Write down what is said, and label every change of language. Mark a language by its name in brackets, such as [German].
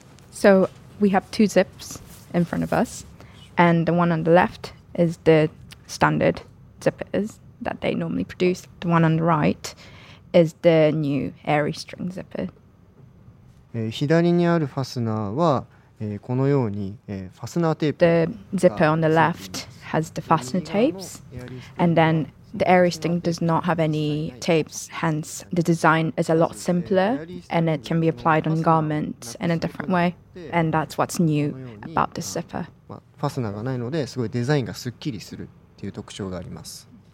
[English] So we have two zips in front of us, and the one on the left is the standard zippers that they normally produce. The one on the right is the new airy string zipper. [Japanese] 左にあるファスナーはこのようにファスナーテープ。 [English] The zipper on the left has the fastener tapes, and then the airy string does not have any tapes. Hence, the design is a lot simpler, and it can be applied on garments in a different way. And that's what's new about this zipper. [Japanese] ファスナーがないので、すごいデザインがすっきりするっていう特徴があります。